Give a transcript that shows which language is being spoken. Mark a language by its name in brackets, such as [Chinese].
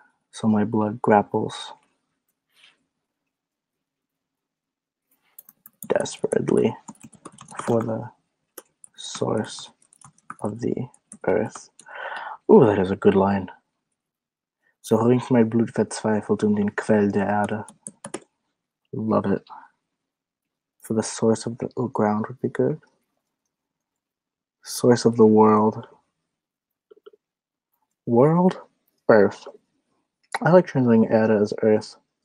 [English] So my blood grapples desperately for the source of the earth. Ooh, that is a good line. [German] So ringt mein Blut verzweifelt um den Quell der Erde. [English] Love it. For the source of the ground would be good. Source of the world. World? Earth. I like translating Erde as Earth.